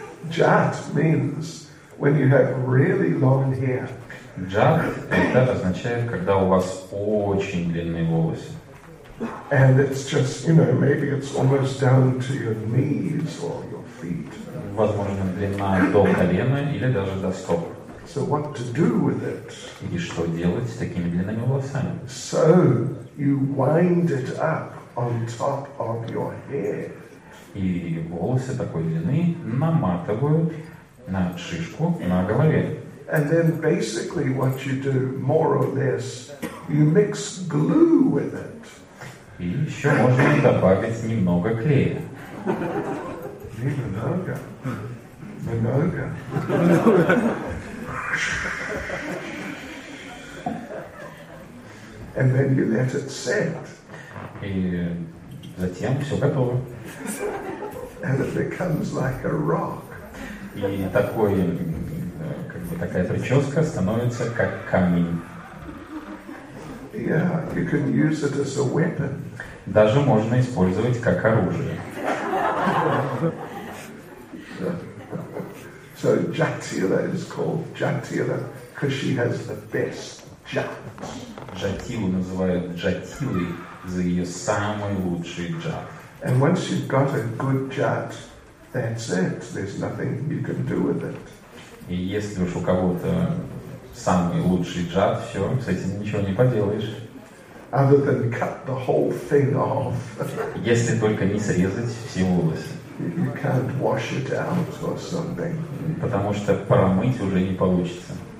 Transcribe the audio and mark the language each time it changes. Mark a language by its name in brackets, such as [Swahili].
[English] Jat means when you have really long hair. [Russian] Jat это означает, когда у вас очень длинные волосы. [English] And it's just, maybe it's almost down to your knees or your feet. [Russian] Возможно, длина до колена или даже до стоп. [English] So what to do with it? [Russian] И что делать с такими длинными волосами? [English] So you wind it up on top of your head. [Russian] И волосы такой длины наматывают на шишку на голове. [English] And then basically what you do, more or less, you mix glue with it. [Russian] И еще можно добавить немного клея. Немного. [English] And then you let it set. [Russian] И затем все готово. [English] And it becomes like a rock. [Russian] И такой, такая прическа становится как камень. [English] Yeah, you can use it as a weapon. [Russian] Даже можно использовать как оружие. [English] So Jatila is called Jatila because she has the best jat. [Russian] Jatilu называют Jatilai за ее самый лучший jat. [English] And once you've got a good jat, that's it. There's nothing you can do with it. [Russian] И если уж у кого-то самый лучший джат, все, с этим ничего не поделаешь. [English] Other than cut the whole thing off. [Russian] Если только не срезать все волосы. [English] You can't wash it out or something. [Russian] Потому что промыть уже не получится.